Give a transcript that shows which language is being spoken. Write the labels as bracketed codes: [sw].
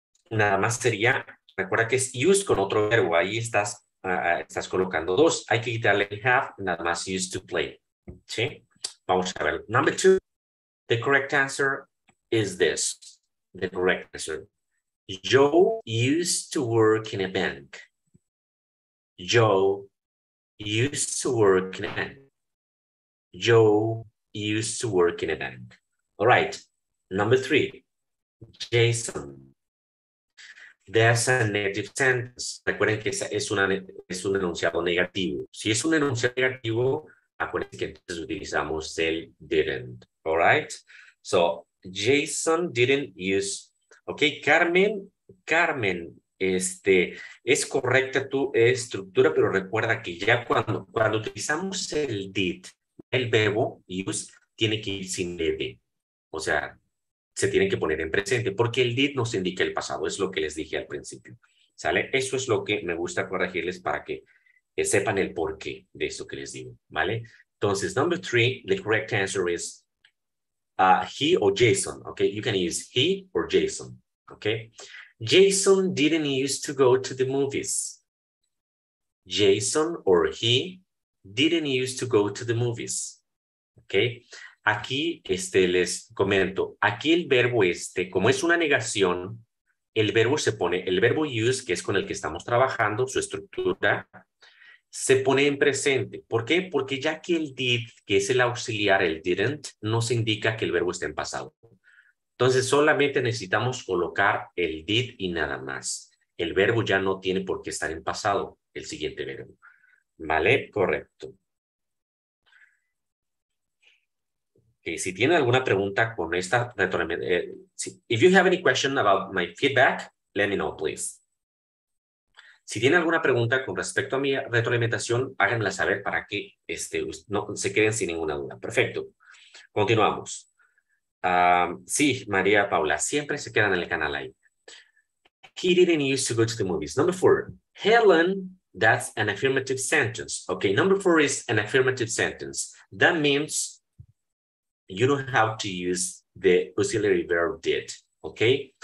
[es] Nada más sería, recuerda que es used con otro verbo, ahí estás, estás colocando dos. Hay que quitarle have, nada más used to play. ¿Sí? Vamos a ver. [en] Number two, the correct answer is this. The correct answer. Joe used to work in a bank. Joe used to work in a bank. Joe used to work in a bank. All right. Number three, Jason. There's a negative sentence. [es] Recuerden que es un enunciado negativo. Si es un enunciado negativo, acuérdense que entonces utilizamos el didn't. All right? [en] So, Jason didn't use... [es] Ok, Carmen, es correcta tu estructura, pero recuerda que ya cuando utilizamos el did, el verbo use, tiene que ir sin ed. O sea, se tienen que poner en presente, porque el did nos indica el pasado, es lo que les dije al principio, ¿sale? Eso es lo que me gusta corregirles para que sepan el porqué de eso que les digo, ¿vale? [en] Entonces, number three, the correct answer is he or Jason, ¿ok? You can use he or Jason, ¿ok? Jason didn't used to go to the movies. Jason or he didn't used to go to the movies, ¿ok? [es] Aquí les comento, aquí el verbo como es una negación, el verbo se pone, el verbo use, que es con el que estamos trabajando, su estructura, se pone en presente. ¿Por qué? Porque ya que el did, que es el auxiliar, el didn't, no se indica que el verbo esté en pasado. Entonces, solamente necesitamos colocar el did y nada más. El verbo ya no tiene por qué estar en pasado, el siguiente verbo. ¿Vale? Correcto. Si tienen alguna pregunta con esta [en] if you have any question about my feedback, let me know, please. [es] Si tienen alguna pregunta con respecto a mi retroalimentación, háganmela saber para que no se queden sin ninguna duda. Perfecto. Continuamos. Sí, María Paula, siempre se quedan en el canal ahí. [en] He didn't used to go to the movies. Number four. Helen, that's an affirmative sentence. Okay, number four is an affirmative sentence. That means you don't have to use the auxiliary verb did, okay?